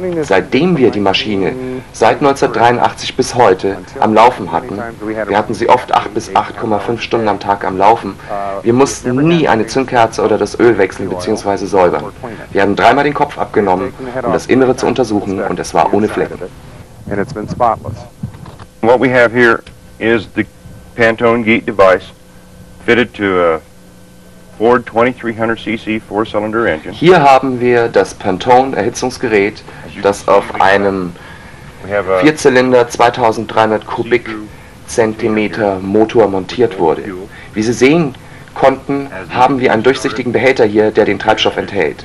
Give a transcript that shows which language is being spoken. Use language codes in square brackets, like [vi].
[de] Seitdem wir die Maschine seit 1983 bis heute am Laufen hatten, wir hatten sie oft 8 bis 8,5 Stunden am Tag am Laufen, wir mussten nie eine Zündkerze oder das Öl wechseln bzw. säubern. Wir haben dreimal den Kopf abgenommen, um das Innere zu untersuchen, und es war ohne Flecken. [en] What we have here is the Pantone Gate device. Fitted to a Ford 2300cc four-cylinder engine. [de] Hier haben wir das Pantone-Erhitzungsgerät, das auf einem Vierzylinder 2300 Kubikzentimeter Motor montiert wurde. Wie Sie sehen konnten, haben wir einen durchsichtigen Behälter hier, der den Treibstoff enthält.